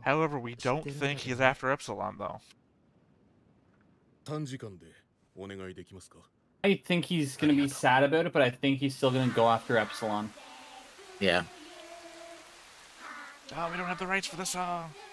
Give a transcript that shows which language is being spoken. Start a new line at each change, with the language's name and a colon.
English: However, we don't think he's after Epsilon, though.
Japanese: 短時間でお願いできますか?
English: I think he's gonna be sad about it, but I think he's still gonna go after Epsilon. Yeah. Oh, we don't have the rights for the song.